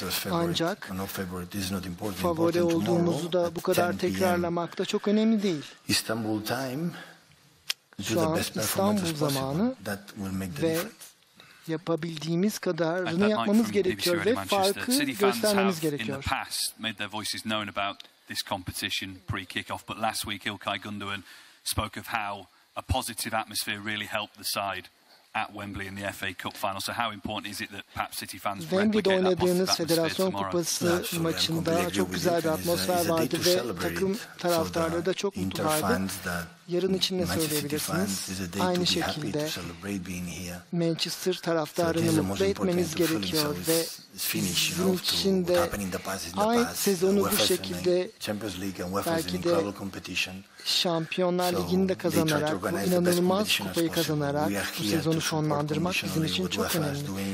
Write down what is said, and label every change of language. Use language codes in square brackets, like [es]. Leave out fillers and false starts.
[tr] Ancak favori olduğumuzu da bu kadar tekrarlamak da çok önemli değil. [en] İstanbul time. [tr] Şu an İstanbul zamanı ve yapabildiğimiz kadarını yapmamız gerekiyor ve farkı göstermemiz gerekiyor. [en] In the past, made their voices known about this competition pre-kickoff, but last week Ilkay Gundogan spoke of how a positive atmosphere really helped the side at Wembley in the FA Cup final. So how important is it that perhaps City fans replicate that positive atmosphere tomorrow? [tr] Oynadığınız Federasyon Kupası maçında çok güzel bir atmosfer vardı ve takım taraftarları da çok mutluydu. Yarın için ne söyleyebilirsiniz? Aynı şekilde Manchester taraftarını mutlu etmemiz gerekiyor ve sizin için de aynı sezonu bu şekilde belki de Şampiyonlar Ligi'ni de kazanarak, inanılmaz kupayı kazanarak bu sezonu sonlandırmak bizim için çok önemli.